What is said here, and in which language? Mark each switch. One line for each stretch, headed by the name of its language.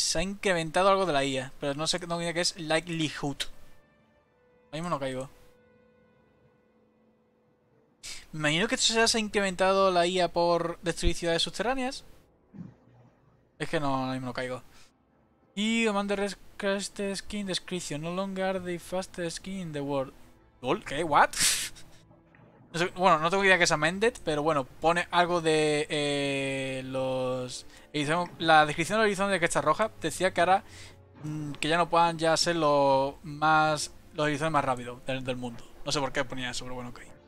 Spanish: Se ha incrementado algo de la IA, pero no sé, no tengo ni idea qué es. Likelihood. Ahí mismo no caigo. Me imagino que esto se ha incrementado la IA por destruir ciudades subterráneas. Es que no, ahí mismo no caigo.
English: Y Commander's Crested Skin Description. No longer the fastest skin in the world. ¿Lol? ¿Qué? ¿What?
Spanish: No sé, bueno, no tengo idea que es Amended, pero bueno, pone algo de los. La descripción del horizonte de que está roja decía que ahora que ya no puedan ya ser los horizontes más rápidos del mundo. No sé por qué ponía eso, pero bueno, ok.